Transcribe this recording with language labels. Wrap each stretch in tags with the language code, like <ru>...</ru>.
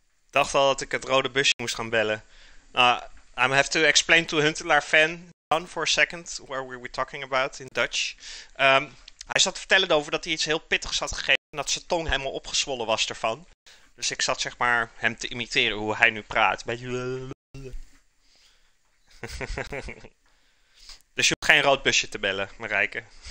<nl>Dacht al dat ik het rode busje moest gaan bellen.</nl> <en>I have to explain to Huntelaar fan for a second, where we were talking about in Dutch.</en> <nl>Hij zat te vertellen over dat hij iets heel pittigs had gegeten en dat zijn tong helemaal opgezwollen was ervan. Dus ik zat zeg maar hem te imiteren hoe hij nu praat. Dus je hoeft geen rood busje te bellen, Marijke.</nl>